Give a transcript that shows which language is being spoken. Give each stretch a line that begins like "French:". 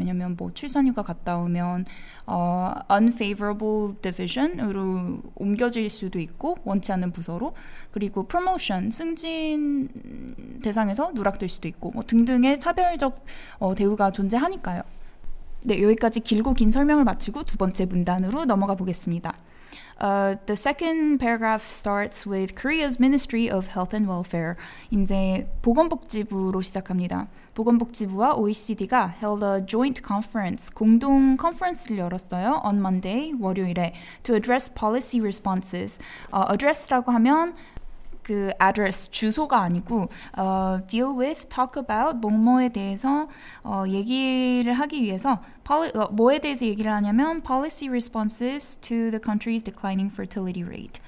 Korean: 왜냐하면 뭐 출산휴가 갔다 오면 unfavorable division 으로 옮겨질 수도 있고 원치 않는 부서로 그리고 promotion, 승진 대상에서 누락될 수도 있고 뭐 등등의 차별적 대우가 존재하니까요. 네, 여기까지 길고 긴 설명을 마치고 두 번째 문단으로 넘어가 보겠습니다.
English: The second paragraph starts with Korea's Ministry of Health and Welfare.
Korean: 이제 보건복지부로 시작합니다. 보건복지부와 OECD가 held a joint conference, 공동 컨퍼런스를 열었어요.
English: On Monday, 월요일에, to address policy responses. Address라고 하면 그 address, 주소가 아니고 deal with, talk about, 뭐뭐에 대해서 얘기를 하기 위해서 뭐에 대해서 얘기를 하냐면 policy responses to the country's declining fertility rate.